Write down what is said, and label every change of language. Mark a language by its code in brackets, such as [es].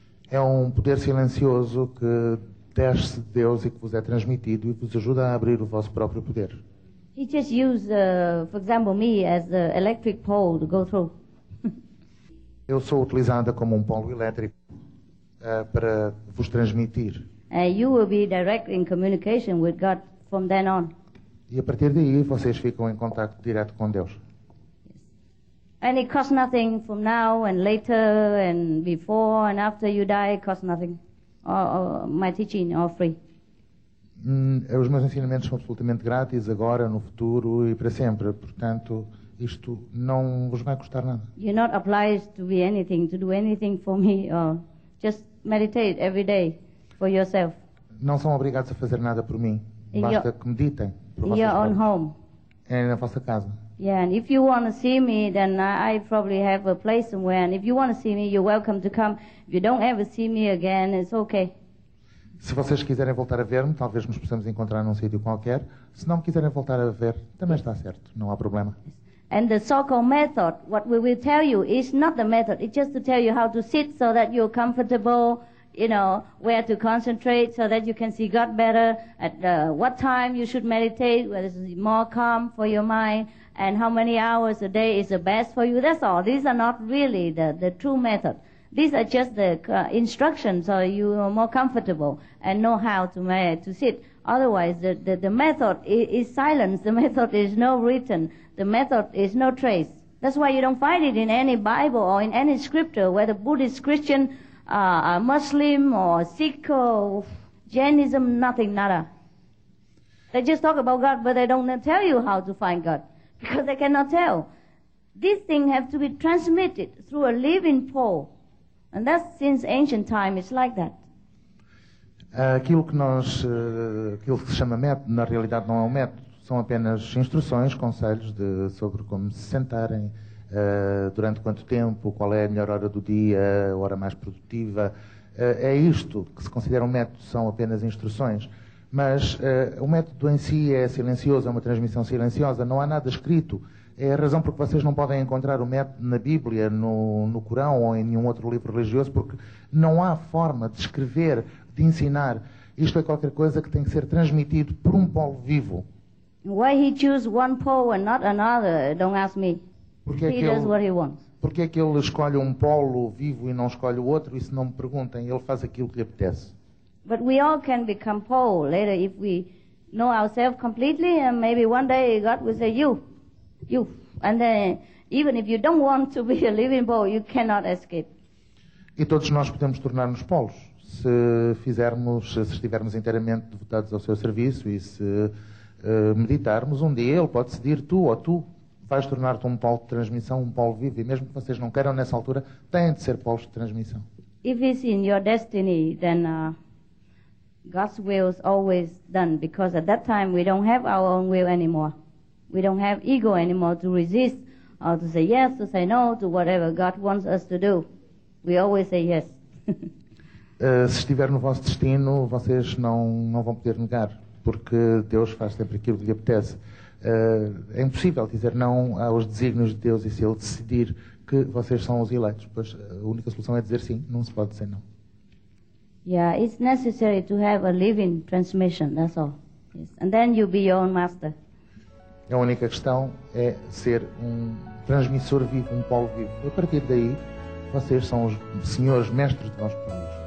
[pt] É um poder silencioso que desce de Deus e que vos é transmitido e vos ajuda a abrir o vosso próprio poder. [en] He just used, for example, me as the electric pole to go through. [pt] Eu sou utilizada como polo elétrico para vos transmitir. [en] And you will be direct in communication with God from then on. [pt] E a partir daí vocês ficam em contacto direto com Deus. [en] Yes. And it costs nothing from now and later and before and after you die, it costs nothing. Or my teaching are free. [pt] Os meus ensinamentos são absolutamente grátis agora, no futuro e para sempre. Portanto, isto não vos vai custar nada. [en] You're not obliged to be anything, to do anything for me, or just meditate every day for yourself. [pt] Não são obrigados a fazer nada por mim. Basta que meditem. [en] In your own home. [pt] É na vossa casa. [en] Yeah, and if you want to see me, then I probably have a place somewhere. And if you want to see me, you're welcome to come. If you don't ever see me again, it's okay. [pt] Se vocês quiserem voltar a ver-me, talvez nos possamos encontrar num sítio qualquer. Se não me quiserem voltar a ver, também está certo. Não há problema. [en] And the so-called method, what we will tell you, is not the method. It's just to tell you how to sit so that you're comfortable, you know, where to concentrate so that you can see God better, at what time you should meditate, whether it's more calm for your mind, and how many hours a day is the best for you. That's all. These are not really the true method. These are just the instructions so you are more comfortable and know how to sit. Otherwise, the method is silence. The method is no written. The method is no trace. That's why you don't find it in any Bible or in any scripture, whether Buddhist, Christian, Muslim, or Sikh, or Jainism, nothing, nada. They just talk about God, but they don't tell you how to find God, because they cannot tell. These things have to be transmitted through a living pole. And that's since ancient time, it's like that. [pt] Aquilo que nós, aquilo que se chama método, na realidade não é um método, são apenas instruções, conselhos sobre como se sentarem, durante quanto tempo, qual é a melhor hora do dia, a hora mais produtiva. É isto que se considera um método, são apenas instruções. Mas o método em si é silencioso, é uma transmissão silenciosa, não há nada escrito. É a razão porque vocês não podem encontrar o método na Bíblia, no Corão ou em nenhum outro livro religioso, porque não há forma de escrever, de ensinar. Isto é qualquer coisa que tem que ser transmitido por polo vivo. [en] Why he choose one pole and not another, don't ask me. Does what he wants. [pt] Porque é que ele escolhe polo vivo e não escolhe o outro, isso não me perguntem, ele faz aquilo que lhe apetece. [en] But we all can become pole later if we know ourselves completely and maybe one day God will say you. And then even if you don't want to be a living pole, you cannot escape. [pt] E todos nós podemos tornar-nos polos. Se fizermos, se estivermos inteiramente devotados ao seu serviço e se meditarmos, um dia ele pode decidir tu ou tu vais tornar-te um polo de transmissão, um polo vivo. E mesmo que vocês não queiram nessa altura, têm de ser polos de transmissão. [en] If it's in your destiny, then God's will is always done, because at that time we don't have our own will anymore. We don't have ego anymore to resist or to say yes, to say no, to whatever God wants us to do. We always say yes. [pt] Se estiver no vosso destino, vocês não vão poder negar, porque Deus faz sempre aquilo que lhe apetece. É impossível dizer não aos desígnios de Deus, e se Ele decidir que vocês são os eleitos, pois a única solução é dizer sim, não se pode dizer não. [en] Yeah, it's necessary to have a living transmission, that's all. Yes. And then you'll be your own master. [pt] A única questão é ser um transmissor vivo, um polo vivo. E a partir daí, vocês são os senhores mestres de vós próprios.